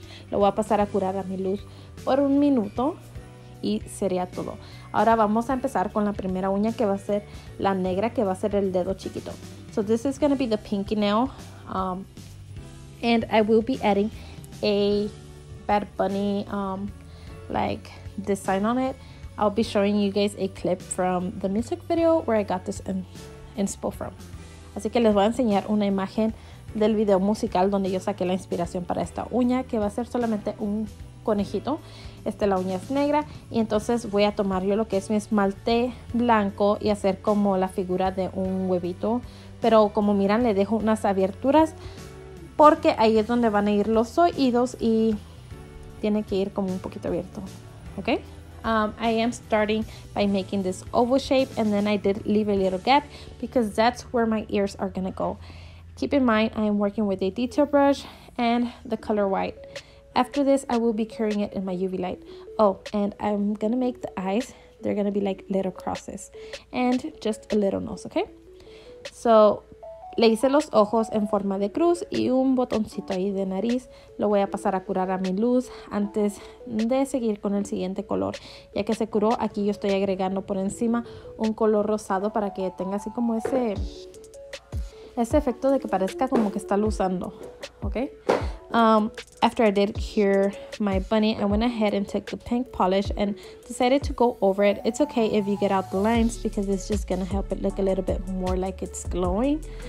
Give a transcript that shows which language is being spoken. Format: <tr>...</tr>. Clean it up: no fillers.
<es>Lo voy a pasar a curar a mi luz por 1 minuto y sería todo. Ahora vamos a empezar con la primera uña, que va a ser la negra, que va a ser el dedo chiquito.</es> <en>So this is going to be the pinky nail, and I will be adding a Bad Bunny like design on it. I'll be showing you guys a clip from the music video where I got this inspo from.</en> <es>Así que les voy a enseñar una imagen del video musical donde yo saqué la inspiración para esta uña, que va a ser solamente un conejito. La uña es negra y entonces voy a tomar yo lo que es mi esmalte blanco y hacer como la figura de un huevito. Pero como miran, le dejo unas aberturas porque ahí es donde van a ir los oídos y tiene que ir como un poquito abierto, ¿ok?</es> <en>I am starting by making this oval shape, and then I did leave a little gap because that's where my ears are gonna go. Keep in mind, I am working with a detail brush and the color white. After this, I will be curing it in my UV light. Oh, and I'm gonna make the eyes. They're gonna be like little crosses and just a little nose, okay?</en> <es>So, le hice los ojos en forma de cruz y un botoncito ahí de nariz. Lo voy a pasar a curar a mi luz antes de seguir con el siguiente color. Ya que se curó, aquí yo estoy agregando por encima un color rosado para que tenga así como ese efecto de que parezca como que está luzando, ¿ok?</es> <en>After I did cure my bunny, I went ahead and took the pink polish and decided to go over it. It's okay if you get out the lines because it's just gonna help it look a little bit more like it's glowing.</en>